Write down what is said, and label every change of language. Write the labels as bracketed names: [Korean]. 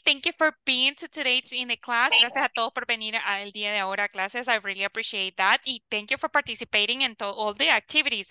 [English] Thank you for being to today in the class. [Spanish] Gracias a todos por venir al día de ahora a clases. [English] I really appreciate that. Y thank you for participating in all the activities.